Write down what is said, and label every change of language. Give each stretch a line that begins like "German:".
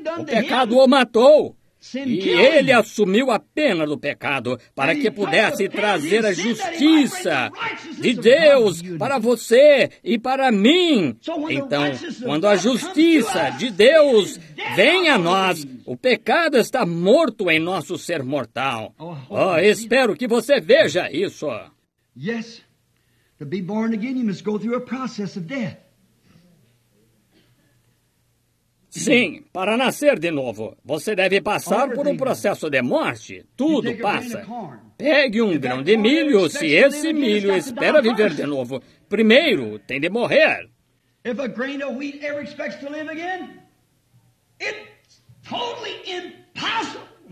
Portuguese: O pecado o matou, e ele assumiu a pena do pecado para que pudesse trazer a justiça de Deus para você e para mim. Então, quando a justiça de Deus vem a nós, o pecado está morto em nosso ser mortal. Oh, espero que você veja isso.
English: Yes, to be born again, you must go through a process of death.
Portuguese: Sim, para nascer de novo, você deve passar por um processo de morte. Tudo passa. Pegue um grão de milho, se esse milho espera viver de novo, primeiro tem de morrer.
English: If a grain of wheat ever expects to live again, it's totally impossible.